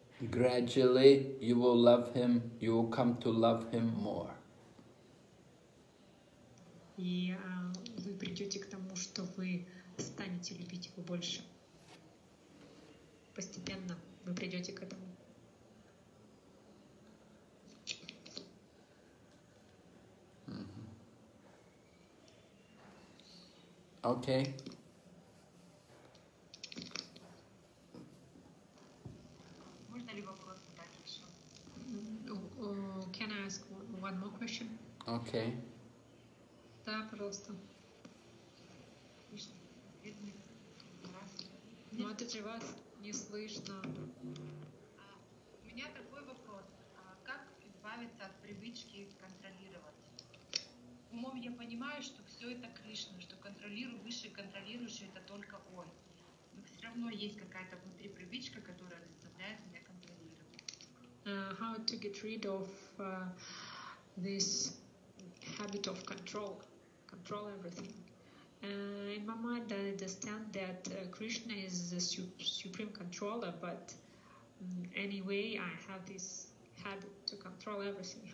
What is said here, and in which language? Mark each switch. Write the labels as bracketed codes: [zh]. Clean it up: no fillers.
[en] Gradually you will love him, you will come to love him more. [ru] И вы придете к тому, что вы станете любить его больше. Постепенно вы придете к этому. [en] Okay. [ru] Можно ли вопрос задать еще? [en] Can I ask one more question? Okay. [ru] Да, пожалуйста. Ну, это же вас не слышно. У меня такой вопрос. Как избавиться от привычки контролировать? Умом я понимаю, что все это Кришна, что контролирую, высший контролирующий, это только он. Но все равно есть какая-то внутри привычка, которая заставляет меня контролировать. [en] How to get rid of this habit of control? Control everything. In my mind, I understand that Krishna is the supreme controller, but anyway, I have this habit to control everything.